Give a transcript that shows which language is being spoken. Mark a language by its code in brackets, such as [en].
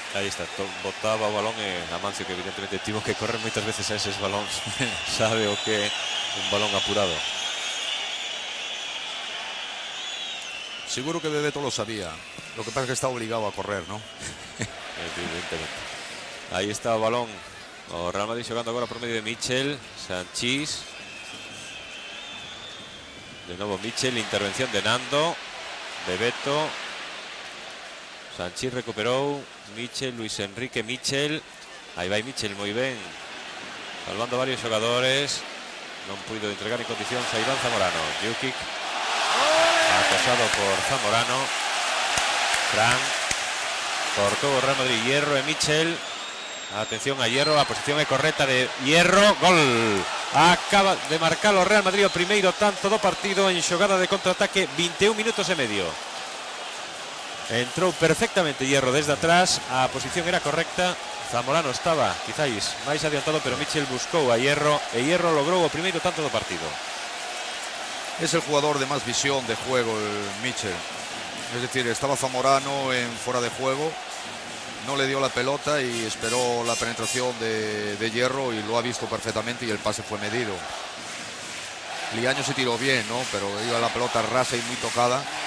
[es] Ahí está, botaba el balón Amancio, que evidentemente tuvo que correr muchas veces a esos balones. [gl] Sabe o qué, un balón apurado. [es] Seguro que Bebeto lo sabía. Lo que pasa es que está obligado a correr, ¿no? Evidentemente. Ahí está el balón. [gl] O Real Madrid xogando agora por medio de Michel. Sanchís. De novo Michel. Intervención de Nando. Bebeto. Sanchís recuperou. Michel, Luis Enrique, Michel. Aí vai Michel, moi ben. Salvando varios xogadores. Non puido entregar en condición. Saibán Zamorano. Jukic. Acosado por Zamorano. Fran. Cortou o Real Madrid. Hierro e Michel. Atención a Hierro, a posición é correcta de Hierro. Gol. Acaba de marcar o Real Madrid o primeiro tanto do partido en xogada de contraataque, 21 minutos e medio. Entrou perfectamente Hierro desde atrás, a posición era correcta. Zamorano estaba quizáis máis adiantado, pero Michel buscou a Hierro e Hierro logrou o primeiro tanto do partido. [es] Es el jugador de más visión de juego, el Michel. Es decir, estaba Zamorano en fuera de juego. no le dio la pelota y esperó la penetración de Hierro y lo ha visto perfectamente y el pase fue medido. Liaño se tiró bien, ¿no? Pero iba la pelota rasa y muy tocada.